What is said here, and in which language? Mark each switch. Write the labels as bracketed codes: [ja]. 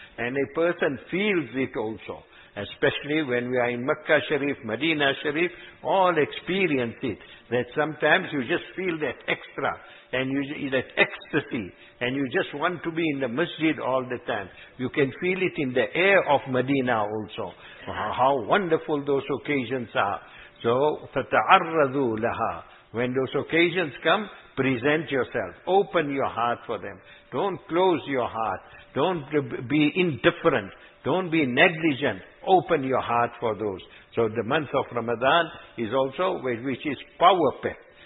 [en] And a person feels it also. Especially when we are in Makkah Sharif, Medina Sharif, all experience it. That sometimes you just feel that extra, and you that ecstasy, and you just want to be in the masjid all the time. You can feel it in the air of Medina also. How wonderful those occasions are. [ar] So, فَتَعَرَّضُوا لَهَا. [en] When those occasions come, present yourself. Open your heart for them. Don't close your heart. Don't be indifferent. Don't be negligent. Open your heart for those. So the month of Ramadan is also which is power packed.